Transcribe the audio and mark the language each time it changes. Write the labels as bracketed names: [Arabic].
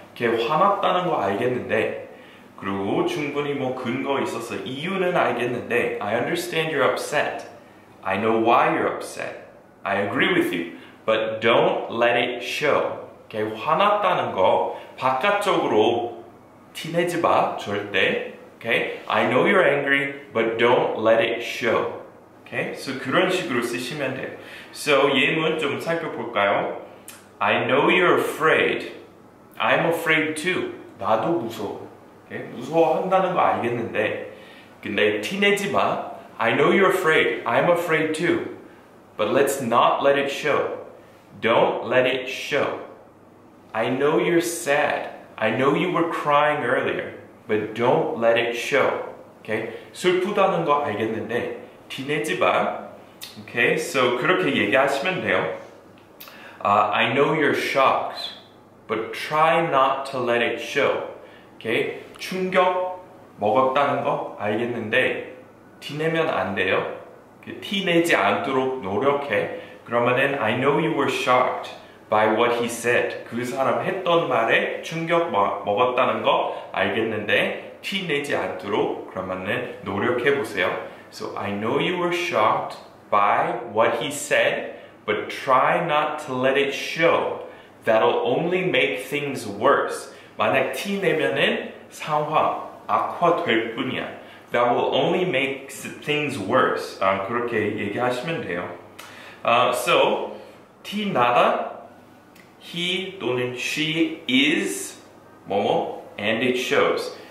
[Korean] 걔 화났다는 거 알겠는데 그리고 충분히 뭐 근거 있어서 이유는 알겠는데 [English] I understand you're upset. I know why you're upset. I agree with you. But don't let it show. [Korean] 걔 화났다는 거 바깥쪽으로 티 내지 마 절대. [English] Okay? I know you're angry, but don't let it show. Okay? [Korean] So 그런 식으로 쓰시면 돼요. So 예문 좀 살펴볼까요? [English] I know you're afraid. I'm afraid too. [Korean] 나도 무서워. [English] Okay? [Korean] 무서워한다는 거 알겠는데 근데 티 내지 마. [English] I know you're afraid. I'm afraid too. But let's not let it show. Don't let it show. I know you're sad. I know you were crying earlier. But don't let it show. Okay? [Korean] 슬프다는 거 알겠는데 티 내지 마. [English] Okay? [Korean] So 그렇게 얘기하시면 돼요. [English] I know you're shocked. But try not to let it show. Okay? [Korean] 충격 먹었다는 거 알겠는데 티 내면 안 돼요. 티 내지 않도록 노력해. [English] 그러면은 I know you were shocked by what he said. [Korean] 그 사람 했던 말에 충격 먹었다는 거 알겠는데 티 내지 않도록 그러면은 노력해 보세요. [English] So I know you were shocked by what he said, but try not to let it show. That'll only make things worse. [Korean] 만약 티 내면은 상황 악화될 뿐이야. [English] That will only make things worse. [Korean] 그렇게 얘기하시면 돼요. [English] So, 티 나다, he 또는 she is 뭐뭐, and it shows.